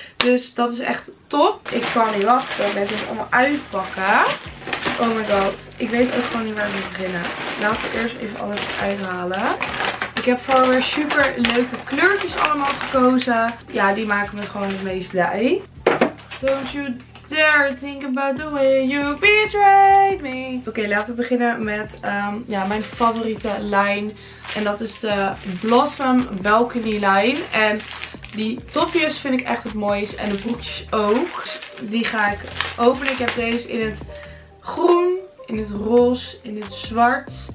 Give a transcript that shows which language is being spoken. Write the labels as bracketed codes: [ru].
[nl] Dus dat is echt top. Ik kan niet wachten met dit allemaal uitpakken. [en] Oh my god. [nl] Ik weet ook gewoon niet waar ik moet beginnen. Laten we eerst even alles uithalen. Ik heb voor weer super leuke kleurtjes allemaal gekozen. Ja, die maken me gewoon het meest blij. [en] Don't you dare think about the way you betrayed me. [nl] Oké, laten we beginnen met mijn favoriete lijn. En dat is de Blossom Balcony lijn. En die topjes vind ik echt het mooist. En de broekjes ook. Die ga ik openen. Ik heb deze in het groen, in het roze, in het zwart.